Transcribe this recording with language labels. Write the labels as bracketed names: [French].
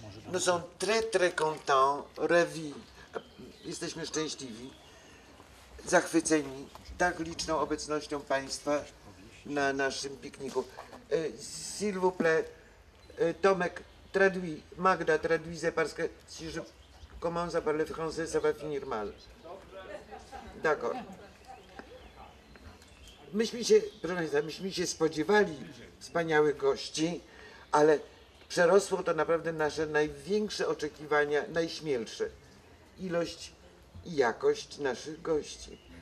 [French] Nous sommes très très contents, ravis, [Polish] jesteśmy szczęśliwi, zachwyceni tak liczną obecnością Państwa na naszym pikniku. [French] S'il vous plaît, Tomek, traduis, Magda, traduisez, parce que si je commence à parler français, ça va finir mal. D'accord. [Polish] Myśmy się, proszę Państwa, myśmy się spodziewali wspaniałych gości, ale przerosło to naprawdę nasze największe oczekiwania, najśmielsze. Ilość i jakość naszych gości.